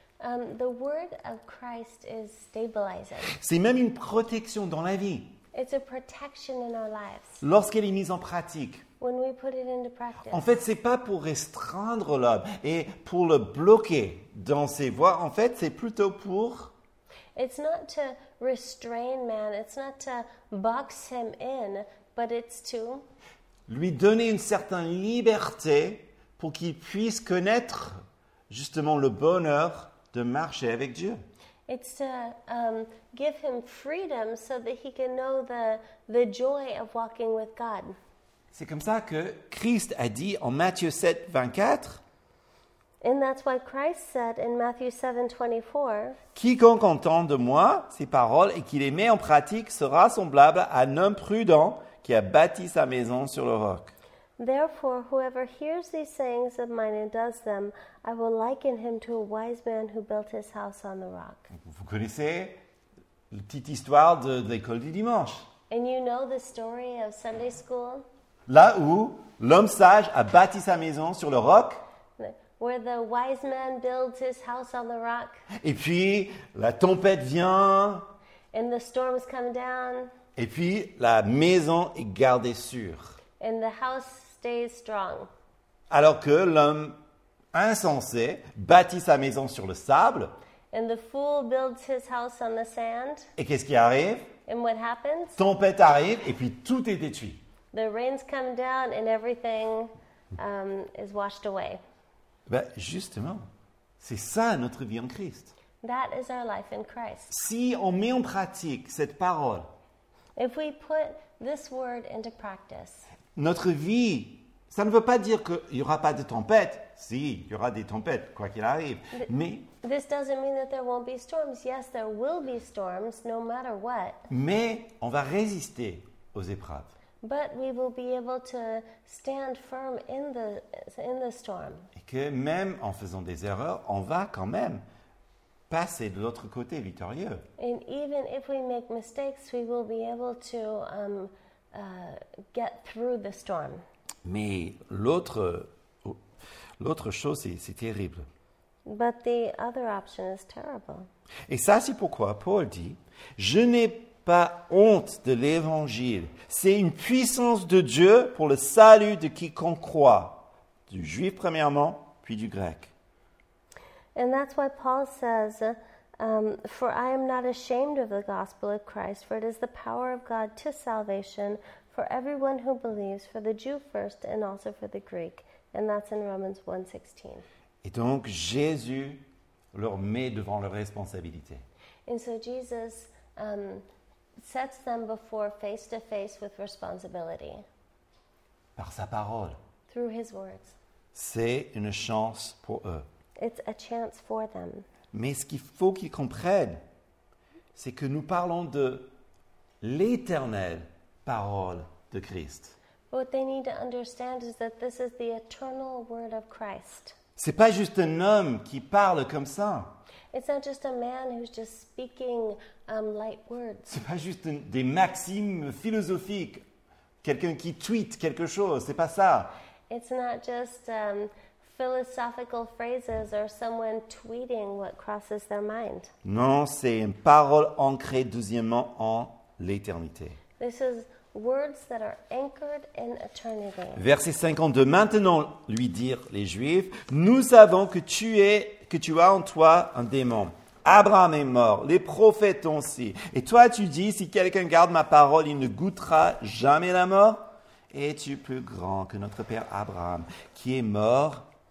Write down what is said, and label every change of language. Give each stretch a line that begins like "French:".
English: The word of Christ is stabilizing.
French: C'est même une protection dans la vie.
English: It's a protection in our lives.
French: Lorsqu'elle est mise en pratique.
English: When we put it into practice.
French: En fait, ce n'est pas pour restreindre l'homme et pour le bloquer dans ses voies. En fait, c'est plutôt pour...
English: It's not to restrain man. It's not to box him in, but it's to...
French: Lui donner une certaine liberté pour qu'il puisse connaître justement le bonheur de marcher avec Dieu.
English: It's to give him freedom so that he can know the joy of walking with God.
French: C'est comme ça que Christ a dit en Matthieu 7, 24.
English: And that's why Christ said in Matthew 7, 24.
French: Quiconque entend de moi ces paroles et qui les met en pratique sera semblable à un homme prudent qui a bâti sa maison sur le roc.
English: Therefore, whoever hears these sayings of mine and does them, I will liken him to a wise man who built his house on the rock.
French: Vous connaissez la petite histoire de l'école du dimanche.
English: And you know the story of Sunday school?
French: Là où l'homme sage a bâti sa maison sur le roc.
English: Where the wise man builds his house on the rock.
French: Et puis, la tempête vient.
English: And the storms come down.
French: Et puis, la maison est gardée sûre.
English: And the house stays strong.
French: Alors que l'homme insensé bâtit sa maison sur le sable.
English: And the fool builds his house on the sand.
French: Et qu'est-ce qui arrive?
English: And what happens?
French: Tempête arrive et puis tout est détruit.
English: The rains come down and everything is washed away.
French: Ben justement, c'est ça notre vie en Christ.
English: That is our life in Christ.
French: Si on met en pratique cette parole,
English: if we put this word into practice,
French: notre vie, ça ne veut pas dire qu'il n'y aura pas de tempête. Si, il y aura des tempêtes, quoi qu'il arrive. Mais
English: this doesn't mean that there won't be storms. Yes, there will be storms, no matter what.
French: Mais on va résister aux épreuves.
English: But we will be able to stand firm in the storm.
French: Et que même en faisant des erreurs, on va quand même passer de l'autre côté victorieux.
English: And even if we make mistakes, we will be able to get through the storm.
French: Mais l'autre chose, c'est terrible.
English: But the other option is terrible.
French: Et ça, c'est pourquoi Paul dit, je n'ai pas honte de l'évangile. C'est une puissance de Dieu pour le salut de quiconque croit, du juif premièrement, puis du grec.
English: And that's why Paul says, for I am not ashamed of the gospel of Christ, for it is the power of God to salvation for everyone who believes, for the Jew first and also for the Greek. And that's in Romans 1:16.
French: Et donc Jésus leur met devant leur responsabilité.
English: And so Jesus sets them before face to face with responsibility.
French: Par sa parole.
English: Through his words.
French: C'est une chance pour eux.
English: It's a chance for them.
French: Mais ce qu'il faut qu'ils comprennent, c'est que nous parlons de l'éternelle parole de Christ.
English: What they need to understand is that this is the eternal word of Christ.
French: C'est pas juste un homme qui parle comme ça.
English: It's not just a man who's just speaking light words.
French: C'est pas juste des maximes philosophiques, quelqu'un qui tweet quelque chose, c'est pas ça.
English: It's not just philosophical phrases or someone tweeting what crosses their mind.
French: Non, c'est une parole ancrée deuxièmement en l'éternité.
English: This is words that are anchored in eternity.
French: Verset 52. Maintenant, lui dirent les Juifs, nous savons que tu as en toi un démon. Abraham est mort, les prophètes aussi. Et toi, tu dis, si quelqu'un garde ma parole, il ne goûtera jamais la mort. Es-tu plus grand que notre père Abraham, qui est mort?